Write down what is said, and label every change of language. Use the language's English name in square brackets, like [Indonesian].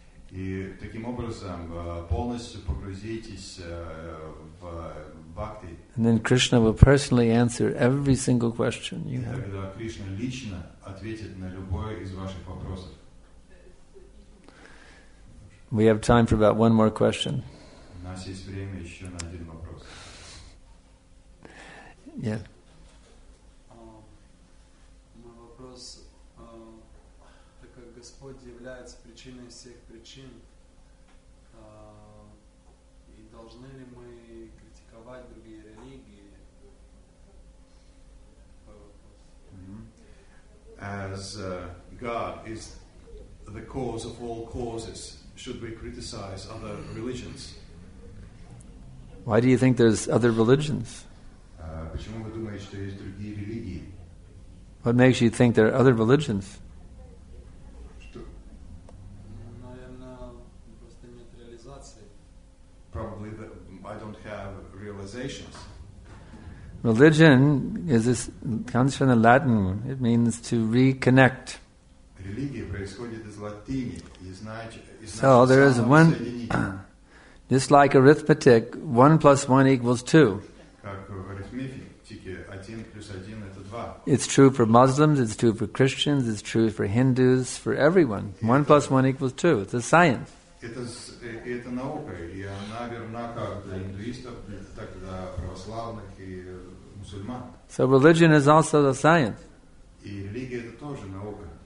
[Russian] И таким образом полностью погрузитесь в бхакти. [English] And then Krishna will personally answer every single question you have. [Russian] Тогда Кришна лично ответит на любой из ваших вопросов. [English] We have time for about one more question. [Russian] У нас есть время еще на один вопрос. Yeah. Мой вопрос. Так как Господь является причиной всех причин, и должны ли мы критиковать другие религии? [English] As God is the cause of all causes, should we criticize other religions? Why do you think there's other religions? Почему вы думаете, что есть другие религии? What makes you think there are other religions? [Russian] Наверное, просто нет [English] probably the, I don't have realizations. Religion is this, comes from the Latin. It means to reconnect. [Russian] Религия происходит из латыни, и значит, [English] so there is one, just like arithmetic, 1 + 1 = 2. [Russian] Как в арифметике, 1 + 1 = 2. [English] It's true for Muslims, it's true for Christians, it's true for Hindus, for everyone. 1 + 1 = 2. It's a science. [Russian] Это наука, и она верна как для индуистов, так и для православных и мусульман. [English] So religion is also a science. [Russian] И религия это тоже наука.